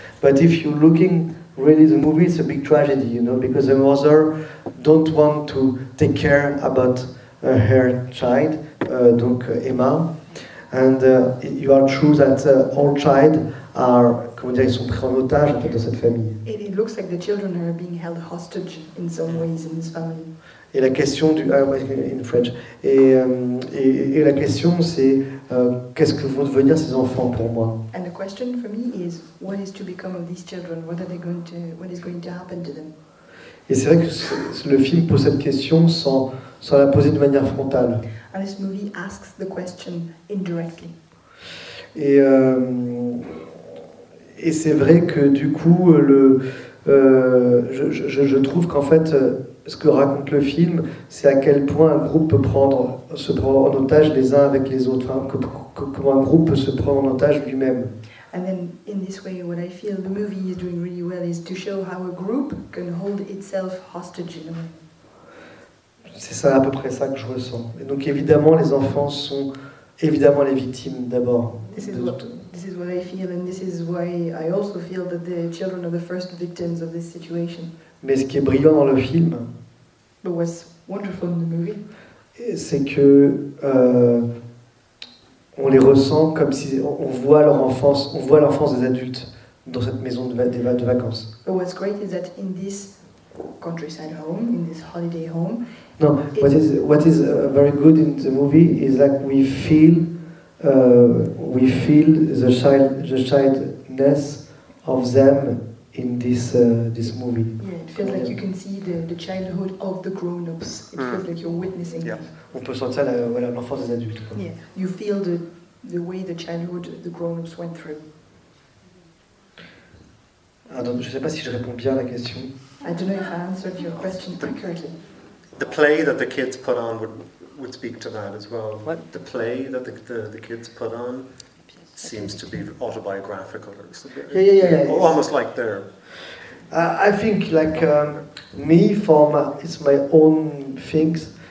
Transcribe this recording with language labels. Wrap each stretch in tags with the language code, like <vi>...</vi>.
<en>But if you're looking really the movie, it's a big tragedy, you know, because the mother don't want to take care about her child, Emma. And you are true that all child are,</en> <fr>comment dire, ils sont pris en otage en fait dans cette famille.</fr> <en>And it looks like the children are being held hostage in some ways in this family.</en> <fr>Et la question du</fr> <en>in French.</en> <fr>Et la question c'est qu'est-ce que vont devenir ces enfants pour moi?</fr> <en>And the question for me is what is to become of these children? What is going to happen to them?</en> <fr>Et c'est vrai que le film pose cette question sans la poser de manière frontale.</fr> <en>And this movie asks the question indirectly.</en> <fr>Et c'est vrai que du coup je trouve qu'en fait ce que raconte le film c'est à quel point un groupe peut se prendre en otage les uns avec les autres, hein, comment un groupe peut se prendre en otage lui-même.</fr> <en>And then in this way what I feel the movie is doing really well is to show how a group can hold itself hostage in a way.</en> <fr>C'est ça, à peu près ça que je ressens. Et donc évidemment, les enfants sont évidemment les victimes d'abord.</fr> <en>This is what I feel, and this is why I also feel that the children are the first victims of this situation.</en> <fr>Mais ce qui est brillant dans le film,</fr> <en>but what's wonderful in the movie,</en> <fr>c'est que on les ressent comme si on voit leur enfance, on voit l'enfance des adultes dans cette maison de vacances.</fr> <en>But what's great is that in this countryside home, in this holiday home. No, what is very good in the movie is that we feel the childness of them in this movie. Yeah, it feels like you can see the childhood of the grown-ups. It feels like you're witnessing.</en> <fr>Yeah, on peut sentir l'enfance des adultes.</fr> <en>Yeah, you feel the way the childhood the grown-ups went through.</en> <fr>Ah, donc je sais pas si je réponds bien à la question.</fr> <en>I don't know if I answered your question correctly. The play that the kids put on would speak to that as well. What? The play that the kids put on seems to be autobiographical. Yeah. Almost like they're... I think, like, me, it's my own things.</en>